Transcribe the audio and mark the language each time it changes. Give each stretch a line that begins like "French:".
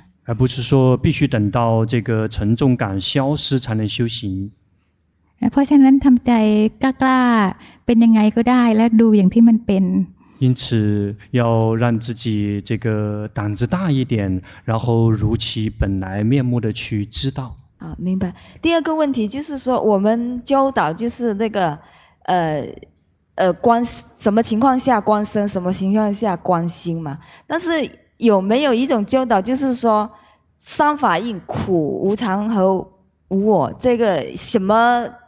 Chinese: 而不是说必须等到这个沉重感消失才能修行。
Thai: เพราะฉะนั้นทำใจกล้าๆเป็นยังไงก็ได้และดูอย่างที่มันเป็น
Chinese: 因此要让自己这个胆子大一点然后如其本来面目的去知道啊，明白第二个问题就是说我们教导就是那个观什么情况下观身什么情况下观心嘛但是有没有一种教导就是说三法印苦无常和无我这个什么